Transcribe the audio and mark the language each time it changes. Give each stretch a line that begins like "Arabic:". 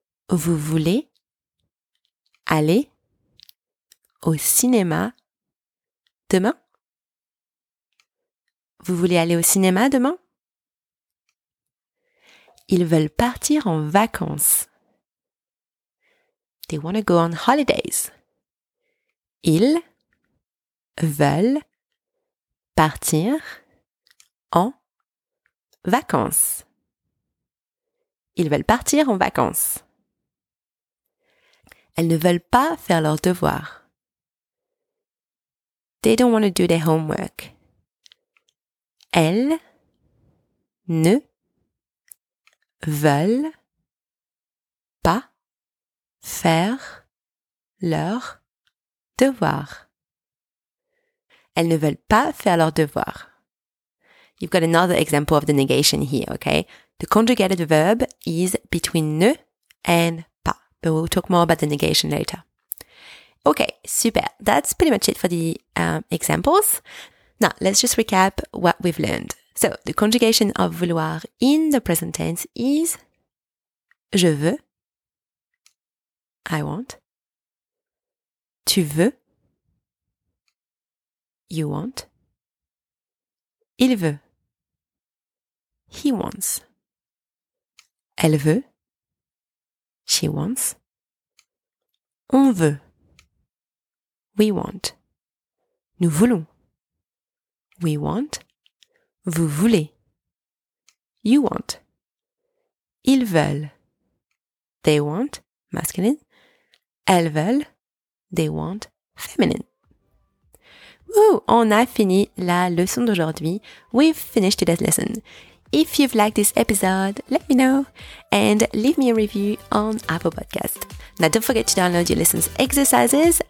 French: Vous voulez aller au cinéma demain? Vous voulez aller au cinéma demain? Ils veulent partir en vacances.
English: They want to go on holidays.
French: Ils veulent partir en vacances. Ils veulent partir en vacances. Elles ne veulent pas faire leurs devoirs.
English: They don't want to do their homework.
French: Elles ne veulent pas faire leurs devoirs. Elles ne veulent pas faire leurs devoirs.
English: You've got another example of the negation here, okay? The conjugated verb is between ne and pas. But we'll talk more about the negation later. Okay, super. That's pretty much it for the examples. Now, let's just recap what we've learned. So, the conjugation of vouloir in the present tense is
French: je veux,
English: I want,
French: tu veux,
English: you want,
French: il veut,
English: he wants,
French: elle veut,
English: she wants,
French: on veut,
English: we want,
French: nous voulons,
English: we want,
French: vous voulez,
English: you want,
French: ils veulent,
English: they want, masculine,
French: elles veulent,
English: they want, feminine. Woo!
French: On a fini la leçon d'aujourd'hui.
English: We've finished today's lesson. If you've liked this episode, let me know and leave me a review on Apple Podcast. Now, don't forget to download your lessons exercises.